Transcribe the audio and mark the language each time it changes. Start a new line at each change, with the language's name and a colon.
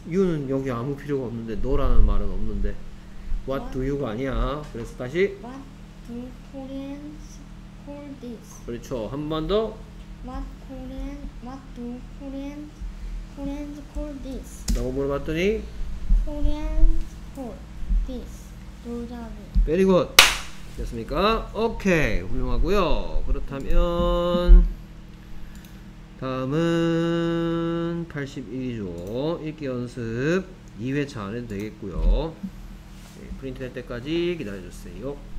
Korean: You는 여기 아무 필요가 없는데 너라는 말은 없는데
English: What do you
Korean: 가 아니야. 그래서 다시
English: What do Koreans call this?
Korean: 그렇죠. 한 번 더
English: What do Koreans call this?
Korean: 라고 물어봤더니
English: Koreans call this 돌잡이. Very good.
Korean: 됐습니까? 오케이. 훌륭하고요. 그렇다면 다음은 82조 읽기 연습 2회차 안 해도 되겠고요. 네, 프린트 될 때까지 기다려주세요.